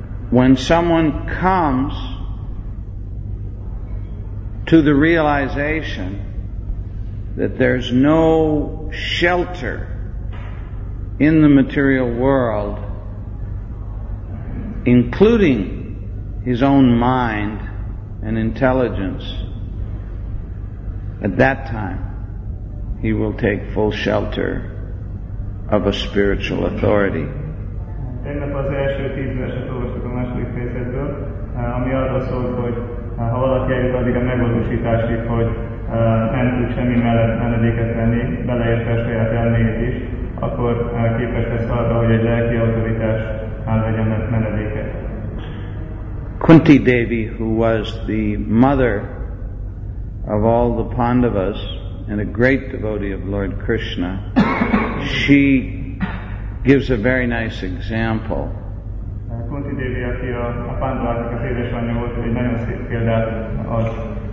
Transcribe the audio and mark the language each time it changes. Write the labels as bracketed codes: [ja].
[en] when someone comes to the realization that there's no shelter in the material world, including his own mind and intelligence, at that time he will take full shelter of a spiritual authority. [hu] Tegnap az első tíz verset olvastuk a második fejezetből, ami arra szólt, hogy ha valaki eljut addig a megvalósításig, hogy nem tud semmi mellett menedéket venni, beleértve a saját elméjét is, akkor képes lesz arra, hogy egy lelki autoritás legyenek menedéket. [en] Kunti Devi, who was the mother of all the Pandavas and a great devotee of Lord Krishna, she gives a very nice example. [hu] Kunti Devi, aki a Pandavák az édesanyja volt, egy nagyon szép példát ad.